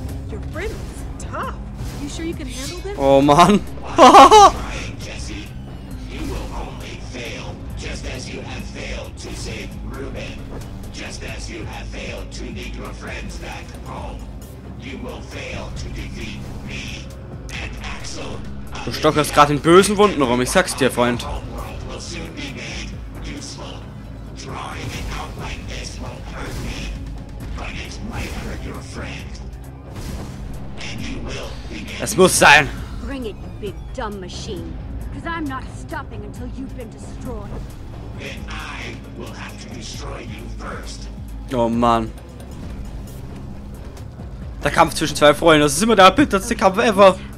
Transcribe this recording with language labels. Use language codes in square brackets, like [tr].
[en] Your friend is tough. Are you sure you can handle this? [de] Oh Mann. [en] Jesse, you will only fail just as you have failed to save Ruben. Just as you have failed to lead your friends back home. [de] Du stocherst gerade in bösen Wunden rum, ich sag's dir, Freund. Es muss sein. [en] Bring it, you big dumb machine, because I'm not stopping until you've been destroyed. Then I will have to destroy you first. [de] Oh Mann. Der Kampf zwischen zwei Freunden, das ist immer der bitterste Kampf ever.